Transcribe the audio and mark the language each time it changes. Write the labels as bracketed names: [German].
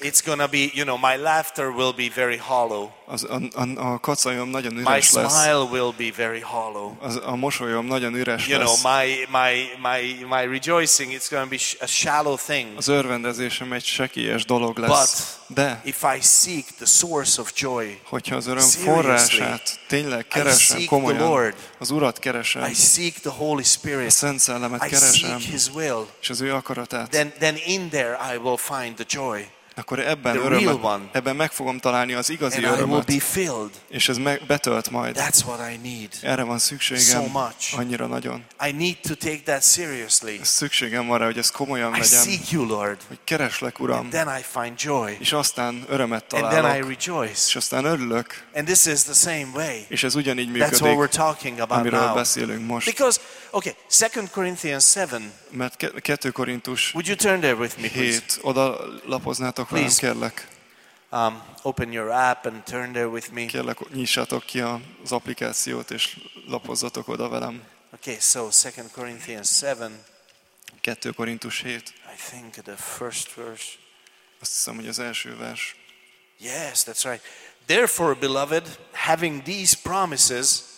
[English] It's gonna be, you know, my laughter will be very hollow. [Hungarian] A kacajom nagyon üres [English] my [Hungarian] lesz. [English] My smile will be very hollow. [Hungarian] A mosolyom nagyon üres [English] you [Hungarian] lesz. [English] You know, my rejoicing, it's gonna be a shallow thing. [Hungarian] Az örvendezésem egy sekélyes dolog lesz. [English] But [Hungarian] de [English] if I seek the source of joy, [Hungarian] hogyha az öröm forrását tényleg keresem komolyan, [English] Lord, [Hungarian] az Urat keresem, [English] I seek the Holy Spirit, [Hungarian] a Szent Szellemet keresem, [English] I seek His will, [Hungarian] és az ő akaratát, [English] then in there I will find the joy. [Hungarian] akkor ebben örömmel, ebben meg fogom találni az igazi örömet, és ez betölt majd. [English] That's what I need. [Hungarian] Erre van szükségem [English] so much. [Hungarian] Annyira nagyon. [English] I need to take that seriously. [Hungarian] Szükségem van rá, hogy ez komolyan legyen. [English] I seek you, Lord. [Hungarian] Hogy kereslek, Uram. [English] And then I find joy. [Hungarian] És aztán örömet találok. [English] And then I rejoice. [Hungarian] És aztán örülök. [English] And this is the same way. [Hungarian] És ez ugyanígy működik. [English] That's what we're talking about [Hungarian] amiről [English] now. [Hungarian] Beszélünk most. [English] Because, okay, 2 Corinthians 7. [Hungarian] Mert 2 Korintus. [English] Would you turn there with me, please? [Hungarian] 7. Oda lapoznátok velem, kérlek. [English] Open your app and turn there with me. [Hungarian] Kérlek, nyissátok ki az applikációt és lapozzatok oda velem. [English] Okay, so 2 Corinthians 7. [Hungarian] 2 Korintus 7. [English] I think the first verse. [Hungarian] Azt hiszem, hogy az első vers. [English] Yes, that's right. Therefore, beloved, having these promises.